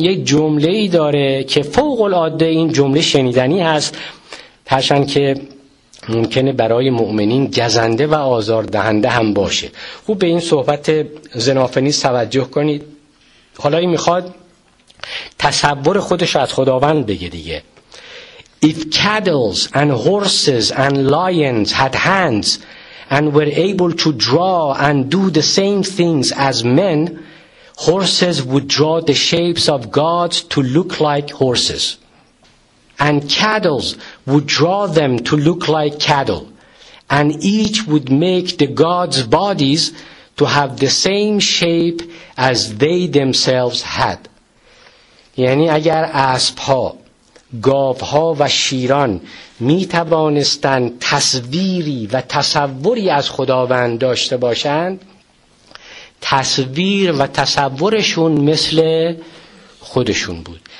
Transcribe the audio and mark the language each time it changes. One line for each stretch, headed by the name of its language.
Persian: یک جمله‌ای داره که فوق العاده این جمله شنیدنی هست، هرچند که ممکنه برای مؤمنین گزنده و آزار دهنده هم باشه. خوب به این صحبت زنافنیز توجه کنید. حالا این میخواد تصور خودش از خداوند بگه دیگه.
English: If cattle and horses and lions had hands and were able to draw and do the same things as men, horses would draw the shapes of gods to look like horses, and cattle would draw them to look like cattle, and each would make the gods' bodies to have the same shape as they themselves had.
Persian: یعنی اگر اسب‌ها، گاوها و شیران می توانستن تصویری و تصوری از خداوند داشته باشند، تصویر و تصورشون مثل خودشون بود.